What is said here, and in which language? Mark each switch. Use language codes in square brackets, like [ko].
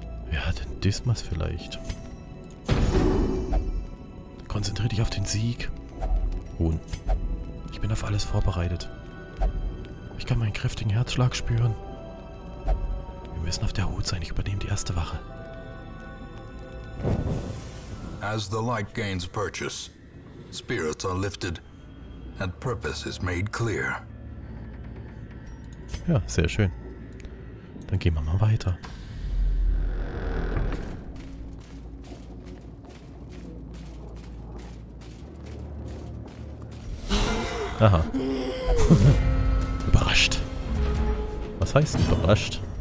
[de] Wer hat denn Dismas vielleicht? Konzentriere dich auf den Sieg. Ruhen. Ich bin auf alles vorbereitet. Ich kann meinen kräftigen Herzschlag spüren. Wir müssen auf der Hut sein. Ich übernehme die erste Wache. [en] As the light gains purchase, spirits are lifted and purpose is made clear. [de] Ja, sehr schön. Dann gehen wir mal weiter. Aha. Überrascht. Was heißt überrascht?